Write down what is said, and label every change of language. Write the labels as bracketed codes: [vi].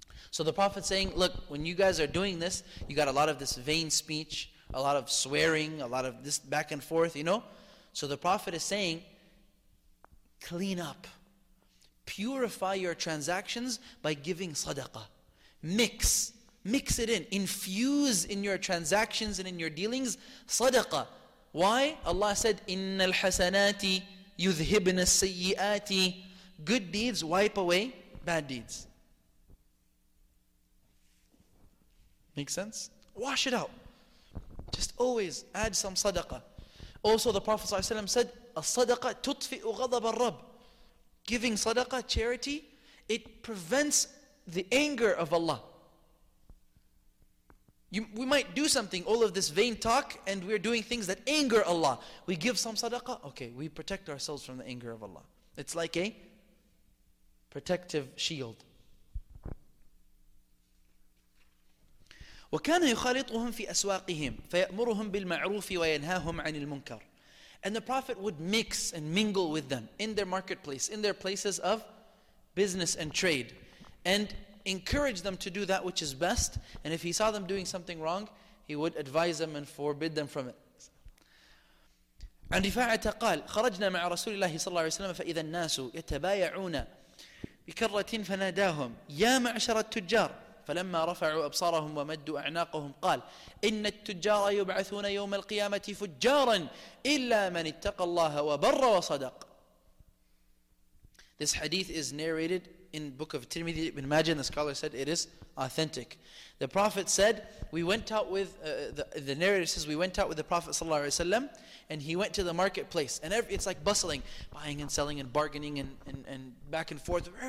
[en] So the Prophet's saying, look, when you guys are doing this, you got a lot of this vain speech, a lot of swearing, a lot of this back and forth, you know? So the Prophet is saying, clean up. Purify your transactions by giving sadaqah. Mix it in. Infuse in your transactions and in your dealings sadaqah. Why? Allah said, [ar] إِنَّ الْحَسَنَاتِ يُذْهِبْنَ السَّيِّئَاتِ. [en] Good deeds wipe away bad deeds. Make sense? Wash it out. Just always add some sadaqah. Also, the Prophet ﷺ said, [ar] الصدقة تطفئ غضب الرب. [en] Giving sadaqah, charity, it prevents the anger of Allah. We might do something, all of this vain talk, and we're doing things that anger Allah. We give some sadaqah, okay, we protect ourselves from the anger of Allah. It's like a protective shield. [ar] وَكَانَ يُخَالِطُهُمْ فِي أَسْوَاقِهِمْ فَيَأْمُرُهُمْ بِالْمَعْرُوفِ وَيَنْهَاهُمْ عَنِ الْمُنْكَرِ. [en] And the Prophet would mix and mingle with them in their marketplace, in their places of business and trade, and encourage them to do that which is best. And if he saw them doing something wrong, he would advise them and forbid them from it. [ar] عَنْ رِفَاعَةَ قَالَ خَرَجْنَا مَعَ رَسُولِ اللَّهِ صَلَّى اللَّهِ وَسَلَّمَ فَإِذَا النَّاسُ يَتَبَايَعُونَ بِكَرَّةٍ فَنَادَاهُمْ يَا مَعْشَرَ التُّجَّارِ فلما رفعوا أبصارهم ومدوا أعناقهم قال إن التجار يبعثون يوم القيامة فجارا إلا من اتقى الله وبر وصدق. [en] This hadith is narrated in book of Tirmidhi Ibn Majah. The scholar said it is authentic. The Prophet said, we went out with, the narrator says, we went out with the Prophet sallallahu alaihi wasallam, and he went to the marketplace, and it's like bustling, buying and selling and bargaining and back and forth.